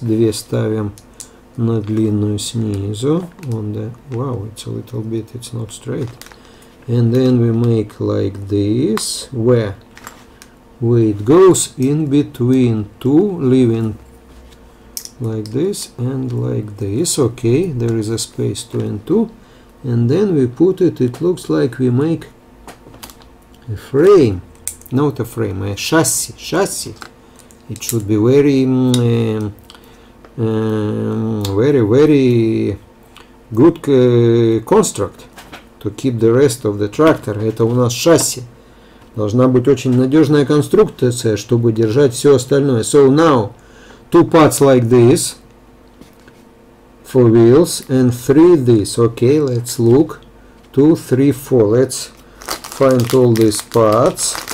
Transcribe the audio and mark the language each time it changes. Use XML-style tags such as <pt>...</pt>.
<ru>Две ставим на длинную снизу.</ru> <en>On the, wow, it's a little bit, it's not straight. And then we make like this. Where it goes in between two, leaving like this and like this. Okay, there is a space two and two. And then we put it, it looks like we make a frame, not a frame, a chassis. It should be very good construct to keep the rest of the tractor.</en> <ru>Это у нас шасси. Должна быть очень надежная конструкция, чтобы держать все остальное.</ru> <en>So now, two parts like this for wheels and three this. Okay, let's look. Two, three, four. Let's find all these parts.</en>